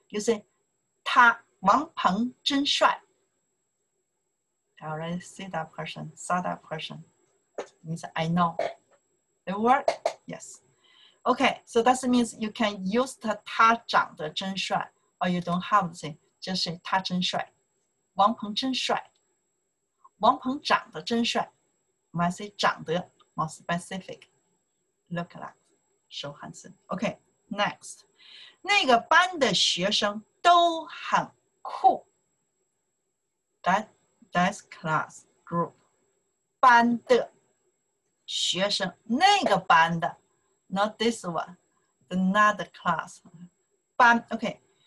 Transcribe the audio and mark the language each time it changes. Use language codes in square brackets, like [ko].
[en] You say 他王鹏真帅. I already see that person, saw that person. It means I know. It work? Yes. Okay, so that means you can use the 他长得真帅, or you don't have to say, just say 他真帅. [zh] 王鹏真帅, 王鹏长得真帅. [en] When I say 长得, more specific, look like, so handsome. [zh] Okay, next. 那个班的学生都很酷. [en] That's class group. 班的学生, 那个班的, not this one, another class. 班, okay.